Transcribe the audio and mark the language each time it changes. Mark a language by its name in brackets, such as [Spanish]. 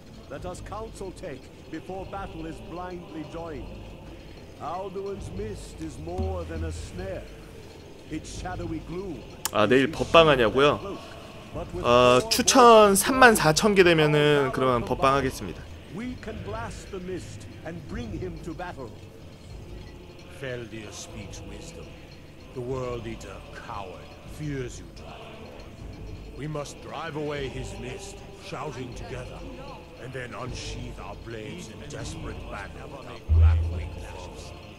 [English] Let us counsel take before battle is blindly joined. Alduin's mist is more than a snare. Its shadowy gloom. [Korean] 아, 내일 법방 하냐고요? 아, 추천 34,000개 되면은 그러면 법방 하겠습니다. [English] We can blast the mist and bring him to battle. Feldir speaks wisdom. The world eater coward fears you. We must drive away his mist, shouting together, and then unsheath our blades in desperate battle with our grappling lashes.